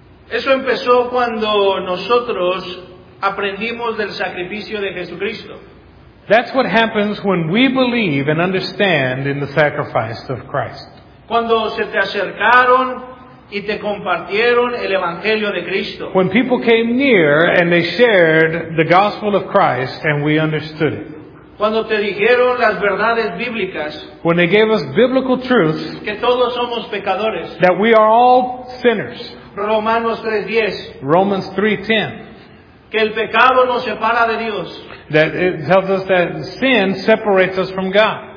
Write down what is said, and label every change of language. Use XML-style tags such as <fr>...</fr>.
<es>Eso empezó cuando nosotros aprendimos del sacrificio de Jesucristo.</es> <en>That's what happens when we believe and understand in the sacrifice of Christ.</en> <es>Cuando se te acercaron y te compartieron el evangelio de Cristo.</es> <en>When people came near and they shared the gospel of Christ and we understood it.</en> <es>Cuando te dijeron las verdades bíblicas.</es> <en>When they gave us biblical truths.</en> <es>Que todos somos pecadores.</es> <en>That we are all sinners.</en> <es>Romanos 3:10.</es> <en>Romans 3:10.</en> <es>Que el pecado nos separa de Dios.</es> <en>That it tells us that sin separates us from God.</en>